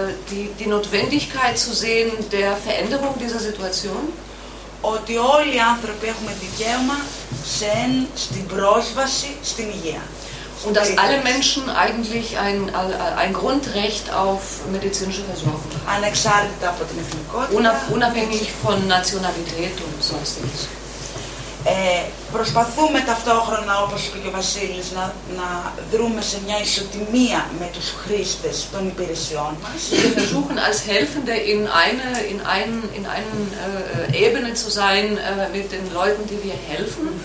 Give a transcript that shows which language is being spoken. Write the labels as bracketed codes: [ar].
[de] Die Notwendigkeit zu sehen der Veränderung dieser Situation. [el] Ότι όλοι οι άνθρωποι έχουμε δικαίωμα στην πρόσβαση στην υγεία. [de] Und dass alle Menschen eigentlich ein Grundrecht auf medizinische Versorgung haben. [el] Ανεξάρτητα από την εθνικότητα. [de] Unabhängig von Nationalität und sonstiges. [el] Προσπαθούμε ταυτόχρονα, όπως είπε και ο Βασίλης, να δρούμε σε μια ισοτιμία με τους χρήστες των υπηρεσιών μας. [de] Wir versuchen als Helfende in einer Ebene zu sein mit den Leuten, die wir helfen.